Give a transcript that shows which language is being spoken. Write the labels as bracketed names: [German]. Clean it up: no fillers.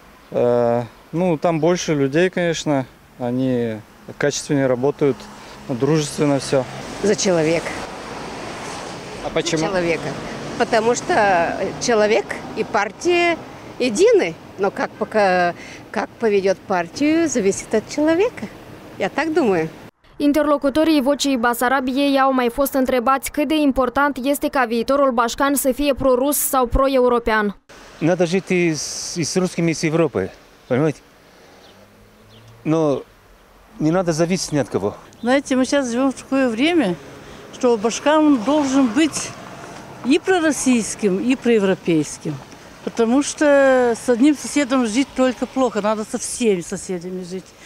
[Russian] Ну, там больше людей, конечно. Они качественнее работают, дружественно все. За человек. А почему? За человека. Потому что человек и партия едины. Но как поведет партию, зависит от человека. Я так думаю. [Romanian] Interlocutorii Vocii Basarabiei au mai fost întrebați cât de important este ca viitorul Bașcan să fie pro-rus sau pro-european. [Russian] Надо жить и с русскими, и с Европой, понимаете? Но не надо зависеть ни от кого. Знаете, мы сейчас живем в такое время, что Башкан должен быть и пророссийским, и проевропейским. Потому что с одним соседом жить только плохо, надо со всеми соседями жить.